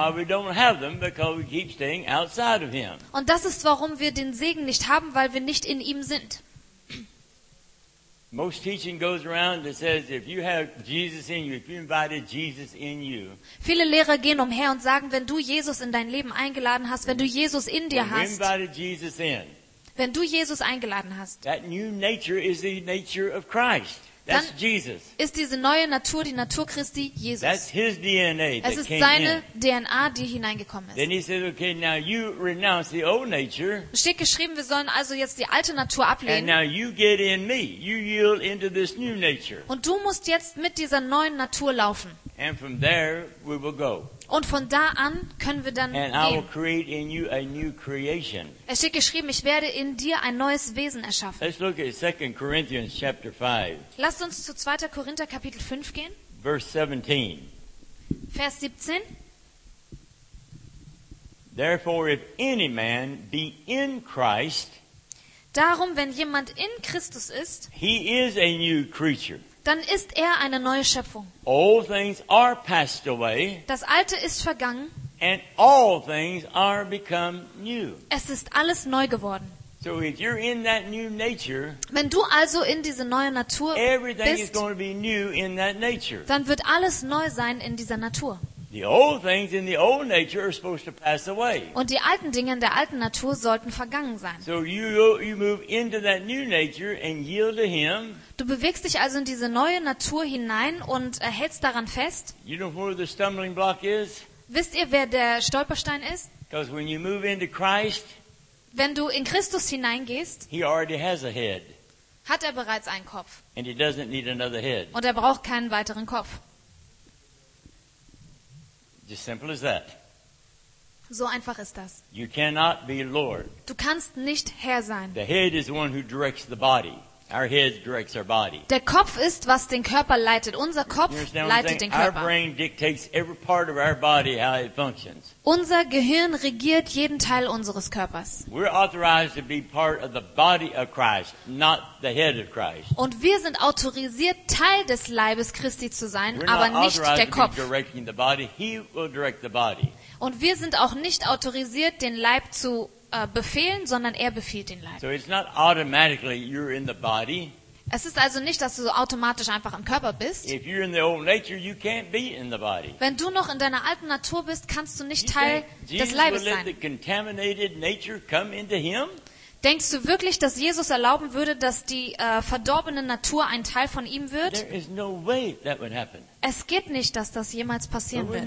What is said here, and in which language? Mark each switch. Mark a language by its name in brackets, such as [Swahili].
[English] That's why we don't have them, because we keep staying outside of him. [German] Und das ist, warum wir den Segen nicht haben, weil wir nicht in ihm sind. [English] Most teaching goes around that says if you have Jesus in you, if you invited Jesus in you. [German] Viele Lehrer gehen umher und sagen, wenn du Jesus in dein Leben eingeladen hast, wenn du Jesus in dir hast. [English] Invited Jesus in. [German] Wenn du Jesus eingeladen hast. [English] That new nature is the nature of Christ. That's Jesus. [German] Ist diese neue Natur die Natur Christi, Jesus. [English] That's his DNA that [German] es ist seine DNA, die hineingekommen ist. [English] Then he says, okay, now you renounce the old nature. [German] Steht geschrieben, wir sollen also jetzt die alte Natur ablehnen. [English] And now you get in me. You yield into this new nature. [German] Und du musst jetzt mit dieser neuen Natur laufen. [English] And from there we will go. [German] Und von da an können wir dann [English] and [German] gehen. [English] I will create in you a new creation. [German] Es steht geschrieben, ich werde in dir ein neues Wesen erschaffen. [English] Let's look at 2 Corinthians chapter 5. [German] Lasst uns zu 2. Korinther Kapitel 5 gehen. [English] Verse 17. [German] Vers 17. [English] Therefore if any man be in Christ, [German] darum, wenn jemand in Christus ist, [English] he is a new creature. [German] Dann ist er eine neue Schöpfung. [English] All things are passed away, [German] das Alte ist vergangen, [English] and all things are become new. [German] Es ist alles neu geworden. [English] So if you're in that new nature, [German] wenn du also in diese neue Natur [English] everything [German] bist, [English] is going to be new in that nature. [German] Dann wird alles neu sein in dieser Natur. [English] The old things in the old nature are supposed to pass away. [German] Und die alten Dinge in der alten Natur sollten vergangen sein. [English] So you move into that new nature and yield to him. [German] Du bewegst dich also in diese neue Natur hinein und hältst daran fest. [English] You know where the stumbling block is? [German] Wisst ihr, wer der Stolperstein ist? [English] Because when you move into Christ, [German] wenn du in Christus hineingehst, [English] he already has a head. [German] Hat er bereits einen Kopf. [English] And he doesn't need another head. [German] Und er braucht keinen weiteren Kopf. [English] Just simple as that. [German] So einfach ist das. [English] You cannot be Lord. [German] Du kannst nicht Herr sein. [English] The head is the one who directs the body. Our head directs our body. [German] Der Kopf ist, was den Körper leitet. Unser Kopf leitet den Körper. [English] Our brain dictates every part of our body how it functions. [German] Unser Gehirn regiert jeden Teil unseres Körpers. [English] We're authorized to be part of the body of Christ, not the head of Christ. [German] Und wir sind autorisiert, Teil des Leibes Christi zu sein, aber nicht der Kopf. [English] We're not authorized to be directing the body. He will direct the body. [German] Und wir sind auch nicht autorisiert, den Leib zu befehlen, sondern er befiehlt den Leib. [English] So it's not automatically you're in the body. [German] Es ist also nicht, dass du so automatisch einfach im Körper bist. [English] If you're in the old nature, you can't be in the body. [German] Wenn du noch in deiner alten Natur bist, kannst du nicht Teil des Leibes sein. [English] Jesus will let the contaminated nature come into him? [German] Denkst du wirklich, dass Jesus erlauben würde, dass die verdorbene Natur ein Teil von ihm wird? [English] There is no way that would happen. [German] Es geht nicht, dass das jemals passieren wird.